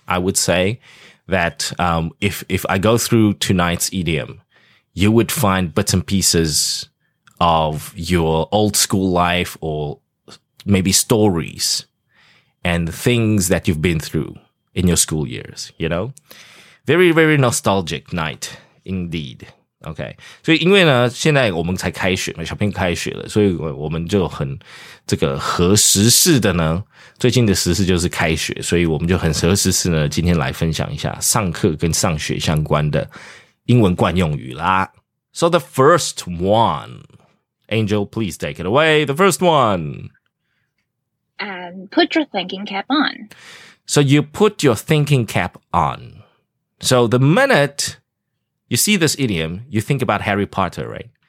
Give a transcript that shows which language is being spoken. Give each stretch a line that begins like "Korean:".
English: I would say that if I go through tonight's idiom, you would find bits and pieces of your old school life or maybe stories and things that you've been through in your school years, you know? Very, very nostalgic night indeed.
Chinese: OK, 所以因为呢现在我们才开学嘛，小朋友开学了，所以我们就很这个合时事的呢，最近的时事就是开学，所以我们就很合时事呢，今天来分享一下上课跟上学相关的英文惯用语啦。
English: So the first one, Angel, please take it away, the first one. Put your thinking cap on. So you put your thinking cap on. So the minute... You see this idiom, you think about Harry Potter, right?